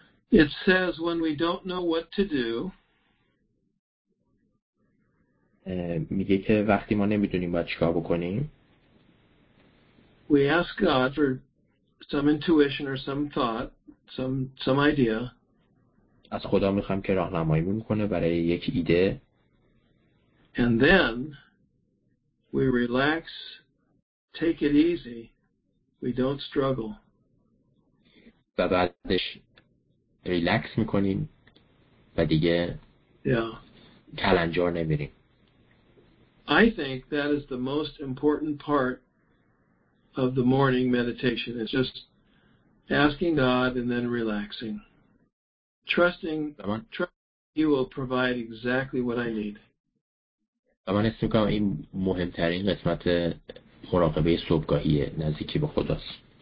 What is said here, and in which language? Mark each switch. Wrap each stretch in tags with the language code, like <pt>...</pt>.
<en>It says when we don't know what to do.</en> <fa>میگه که وقتی ما نمیدونیم باید چیکار بکنیم.</fa> <en>We ask God for some intuition or some thought, some idea.</en> <fa>از خدا میخوام که راهنمایی میکنه برای یک ایده.</fa> <en>And then we relax, take it easy. We don't struggle.</en> <fa>و بعدش ریلکس میکنیم و دیگه کلنجار نمیریم.</fa> <en>I think that is the most important part of the morning meditation. It's just asking God and then relaxing. Trusting you will provide exactly what I need.</en> <fa>من حس می‌کنم این مهمترین قسمت مراقبه صبحگاهیه نزدیکی به خداست.</fa>